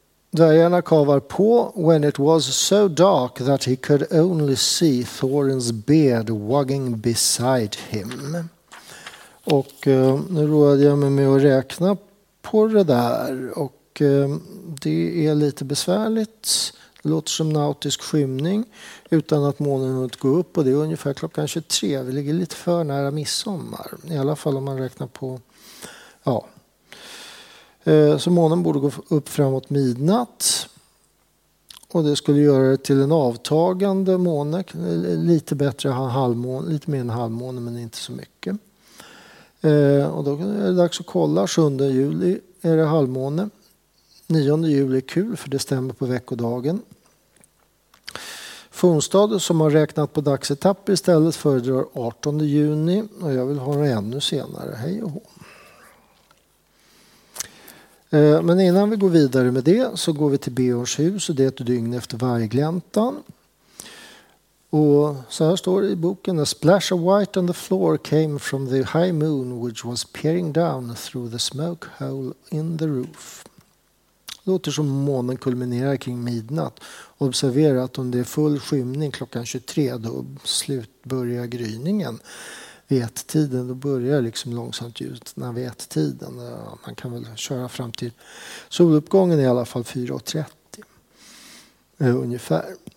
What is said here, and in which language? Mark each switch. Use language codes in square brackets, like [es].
[sv] Dvärgarna kavar på. [en] When it was so dark that he could only see Thorin's beard wagging beside him. [sv] Och nu rådde jag mig med att räkna på det där. Och det är lite besvärligt. Det låter som nautisk skymning utan att månen hunnit gå upp. Och det är ungefär klockan 23. Vi ligger lite för nära midsommar. I alla fall om man räknar på... Ja, så månen borde gå upp framåt midnatt, och det skulle göra det till en avtagande måne, lite bättre halvmåne, lite mer än halvmåne men inte så mycket. Och då är det dags att kolla, 7 juli är det halvmåne, 9 juli är kul för det stämmer på veckodagen. Fornstad som har räknat på dagsetapp istället föredrar 18 juni, och jag vill ha det ännu senare, hej och hå. Men innan vi går vidare med det så går vi till Beorns hus, och det är ett dygn efter vargläntan. Och så här står det i boken: [en] A splash of white on the floor came from the high moon which was peering down through the smoke hole in the roof. [sv] Låter som månen kulminerar kring midnatt. Observera att om det är full skymning klockan 23, då börjar gryningen. Vettiden, då börjar liksom långsamt ljus när vettiden. Man kan väl köra fram till soluppgången i alla fall 4:30 ungefär.